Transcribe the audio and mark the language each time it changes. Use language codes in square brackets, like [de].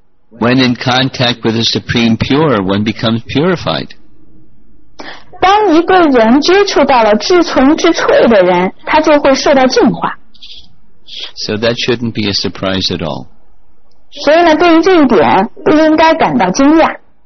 [en] When in contact with the Supreme Pure, one becomes purified. [zh] 当一个人接触到了至纯至粹的人， 他就会受到净化。 [en] So that shouldn't be a surprise at all. [zh] 所以呢， 对于这一点， 不应该感到惊讶。